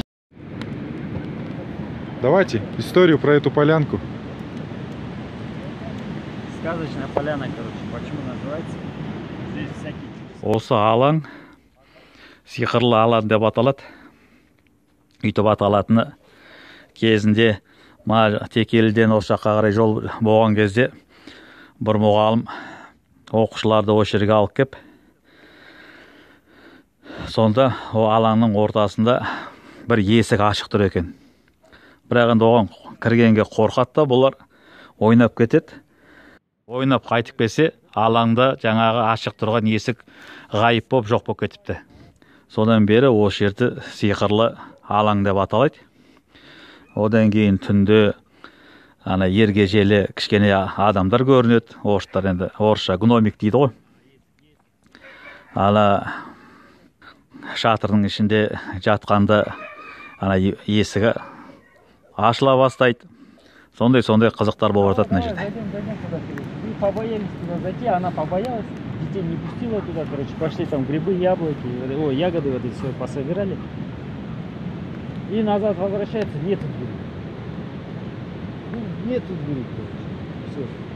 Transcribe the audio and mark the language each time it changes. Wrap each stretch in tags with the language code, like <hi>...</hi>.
<ru>Нет. Давайте историю про эту полянку. Сказочная поляна, короче, почему называется? Здесь всякие.</ru> <kk>Осы алан сиқырлы алан деп аталады. Үйтіп аталатыны кезінде Текеліден осы жаққа қарай жол болған кезде бір мұғалым оқушыларды осы жерге алып кеп, сонда о алаңның ортасында бір есік ашық тұр екен. Бірақ енді оған кіргенге қорқады да, бұлар ойнап кетеді. Ойнап қайтып келсе, алаңда жаңағы ашық тұрған есік ғайып боп жоқ боп кетіпті. Содан бері осы жерді сиқырлы алаң деп аталады. Одан кейін түнде ана ергежелі кішкене адамдар көрінеді. Орыстар енді орысша гномик дейді ғой. Ала шатырдың ішінде жатқанда ана есігі ашыла бастайды. Сондай қызықтар болып жатады мына жерде.</kk> <ru>Побоялись туда зайти, она побоялась, детей не пустила туда, короче, пошли там грибы, яблоки, ягоды вот эти все пособирали. И назад возвращается, нету дверей. Ну, нету дверей, короче.</ru>